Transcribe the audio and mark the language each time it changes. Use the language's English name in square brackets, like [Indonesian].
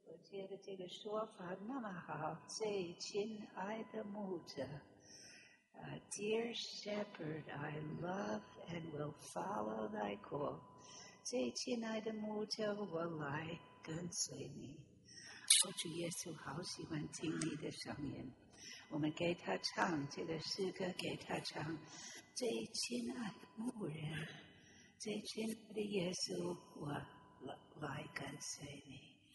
[Chinese] 觉得这个说法那么好，最亲爱的牧者。 [English] Dear Shepherd, I love and will follow thy call. [Chinese] 最亲爱的牧者，我来跟随你。我主耶稣好喜欢听你的声音。我们给他唱这个诗歌，给他唱。最亲爱的牧人，最亲爱的耶稣，我来跟随你。